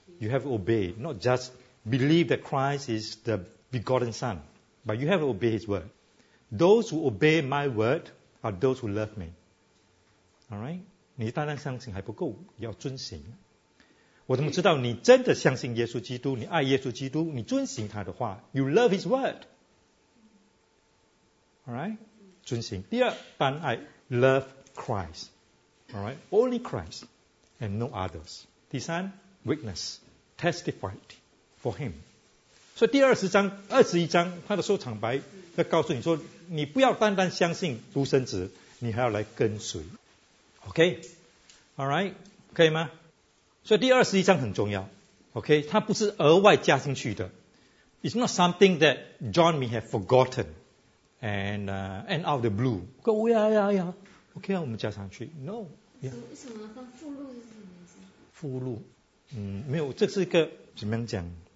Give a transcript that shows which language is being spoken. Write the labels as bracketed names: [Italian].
[English] You have to obey, not just believe that Christ is the begotten Son, but you have to obey His word. Those who obey my word are those who love me. Alright? [Chinese] 你单单相信还不够，要遵行。我怎么知道你真的相信耶稣基督，你爱耶稣基督，你遵行他的话， [English] you love His word. Alright? [Chinese] 遵行。第二，单爱 [English] ，love Christ， all right， only Christ and no others。 [Chinese] 第三 [English] ，witness， testified for Him。 [Chinese] 所以第二十章、二十一章，他的收场白要告诉你说，你不要单单相信独生子，你还要来跟随。 [English] OK， all right， [Chinese] 可以吗？所以第二十一章很重要。 [English] OK， [Chinese] 它不是额外加进去的。 [English] It's not something that John may have forgotten and and out of the blue. Go, oh, yeah, yeah, yeah. Okay, [Chinese] 我们加上去。 [English] No. [Chinese] 为什么放附录是什么意思？附录，没有，这是一个怎么样讲？